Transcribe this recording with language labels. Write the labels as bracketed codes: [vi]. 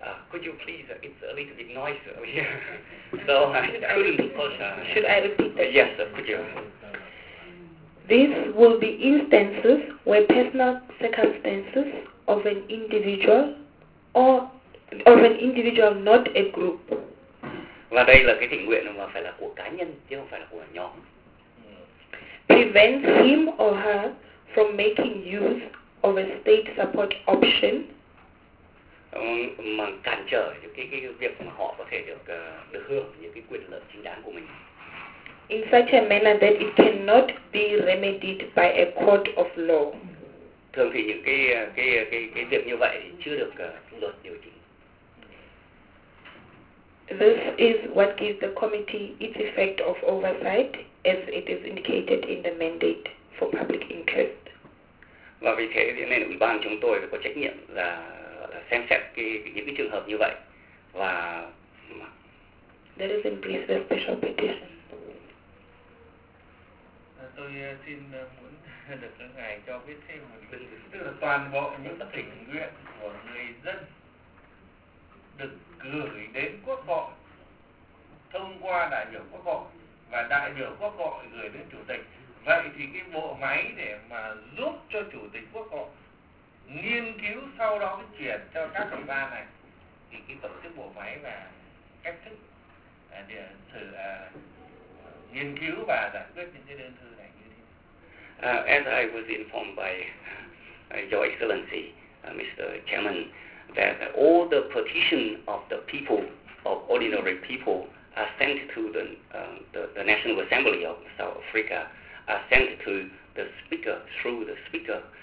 [en] Could you please, it's a little bit noisy over here. So Should I repeat that? Yes, could you? These will be instances where personal circumstances of an individual or of an individual, not a group. [vi] Và đây là cái thỉnh nguyện mà phải là của cá nhân chứ không phải là của nhóm. [en] Prevents him or her from making use of a state support option. [vi] Mà cản trở những cái việc mà họ có thể được được hưởng những cái quyền lợi chính đáng của mình. [en] In such a manner that it cannot be remedied by a court of law. [vi] Thường thì những cái việc như vậy chưa được luật điều chỉnh. [en] This is what gives the committee its effect of oversight, as it is indicated in the mandate for public interest. [vi] Và vì thế thì nên ủy ban chúng tôi phải có trách nhiệm là xem xét những cái trường hợp như vậy và. [en] That is in brief the special petition. [vi] Tôi xin muốn được các ngài cho biết thêm một lần, tức là toàn bộ những tình nguyện của người dân được gửi đến Quốc hội thông qua đại biểu Quốc hội và đại biểu Quốc hội gửi đến Chủ tịch. Vậy thì cái bộ máy để mà giúp cho Chủ tịch Quốc hội nghiên cứu sau đó chuyển cho các ủy ban này thì cái tổ chức bộ máy và cách thức để thử nghiên cứu và giải quyết những cái đơn thư. [en] As I was informed by Your Excellency, Mr. Chairman, that all the petition of the people, of ordinary people, are sent to the National Assembly of South Africa, are sent to the Speaker through the Speaker.